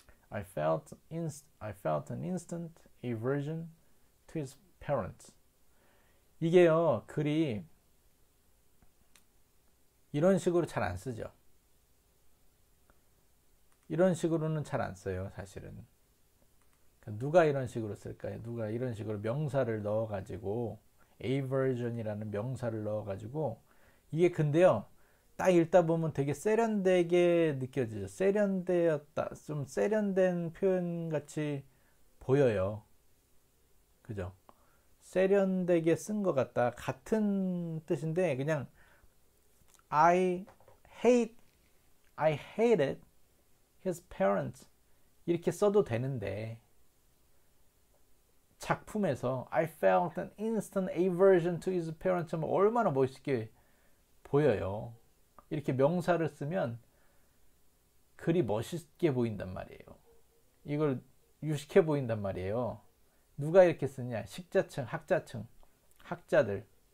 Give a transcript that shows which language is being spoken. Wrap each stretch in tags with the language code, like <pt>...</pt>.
<en>I felt an instant aversion to his parents.</en> <ko>이게요, 글이 이런 식으로 잘안 쓰죠. 이런 식으로는 잘안 써요, 사실은. 누가 이런 식으로 쓸까요? 누가 이런 식으로 명사를 넣어가지고, aversion이라는 명사를 넣어가지고, 이게 근데요, 딱 읽다 보면 되게 세련되게 느껴지죠. 세련되었다. 좀 세련된 표현 같이 보여요. 그죠? 세련되게 쓴것 같다. 같은 뜻인데, 그냥,</ko> <en>I hated his parents.</en> <ko>이렇게 써도 되는데, 작품에서,</ko> <en>I felt an instant aversion to his parents.</en> <ko>하면 얼마나 멋있게 보여요. 이렇게 명사를 쓰면 글이 멋있게 보인단 말이에요. 이걸 유식해 보인단 말이에요. 누가 이렇게 쓰냐? 식자층, 학자층, 학자들.</ko>